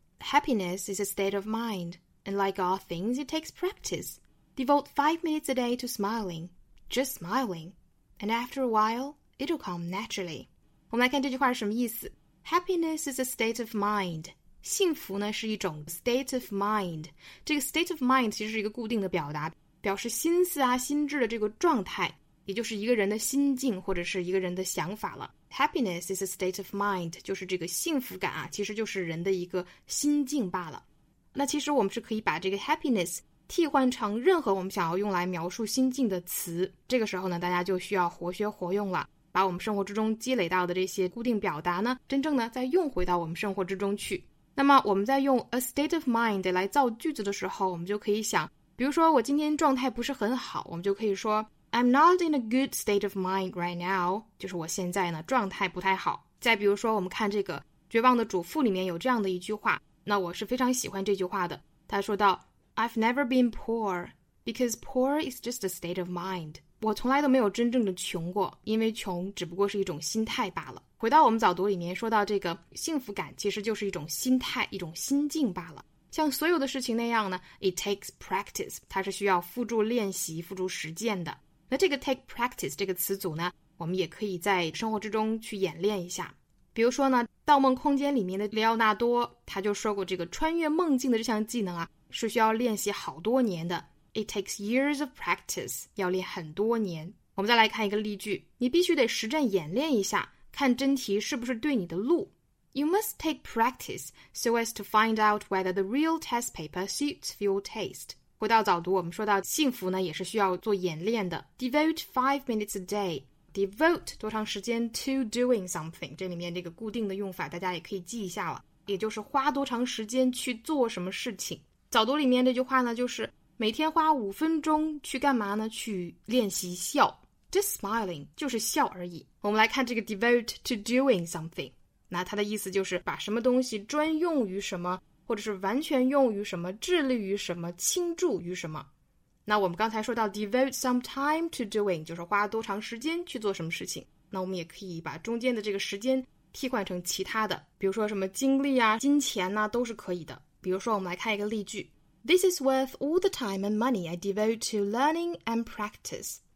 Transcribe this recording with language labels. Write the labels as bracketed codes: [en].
[en] Happiness is a state of mind, and like all things it takes practice. Devote 5 minutes a day to smiling, just smiling, and after a while it'll come naturally. [zh] 我们来看这句话是什么意思。 [en] Happiness is a state of mind， [zh] 幸福呢是一种 state of mind， 这个 state of mind 其实是一个固定的表达，表示心思啊心智的这个状态，也就是一个人的心境或者是一个人的想法了。 [en] Happiness is a state of mind， [zh] 就是这个幸福感啊，其实就是人的一个心境罢了。那其实我们是可以把这个 happiness 替换成任何我们想要用来描述心境的词，这个时候呢大家就需要活学活用了，把我们生活之中积累到的这些固定表达呢真正呢再用回到我们生活之中去。那么我们在用 a state of mind 来造句子的时候，我们就可以想，比如说我今天状态不是很好，我们就可以说 [en] I'm not in a good state of mind right now， [zh] 就是我现在呢状态不太好。再比如说我们看这个绝望的主妇里面有这样的一句话，那我是非常喜欢这句话的，他说到 [en] I've never been poor, because poor is just a state of mind. [zh] 我从来都没有真正的穷过，因为穷只不过是一种心态罢了。回到我们早读里面说到这个幸福感其实就是一种心态，一种心境罢了。像所有的事情那样呢， [en] It takes practice， [zh] 它是需要付诸练习，付诸实践的。那这个 take practice 这个词组呢，我们也可以在生活之中去演练一下。比如说呢，盗梦空间里面的里奥纳多他就说过，这个穿越梦境的这项技能啊，是需要练习好多年的。 [en] It takes years of practice， [zh] 要练很多年。我们再来看一个例句，你必须得实战演练一下，看真题是不是对你的路。 [en] You must take practice so as to find out whether the real test paper suits your taste。 [zh] 回到早读，我们说到幸福呢也是需要做演练的。 [en] Devote 5 minutes a day。 [zh] Devote 多长时间 [en] to doing something， [zh] 这里面这个固定的用法大家也可以记一下了，也就是花多长时间去做什么事情。早读里面这句话呢，就是每天花5分钟去干嘛呢，去练习笑。 [en] Just smiling [zh] 就是笑而已。我们来看这个 [en] devote to doing something， [zh] 那它的意思就是把什么东西专用于什么，或者是完全用于什么，致力于什么，倾注于什么。那我们刚才说到 [en] devote some time to doing [zh] 就是花多长时间去做什么事情，那我们也可以把中间的这个时间替换成其他的，比如说什么精力啊，金钱啊，都是可以的。比如说我们来看一个例句， [en] This is worth all the time and money I devote to learning and practice。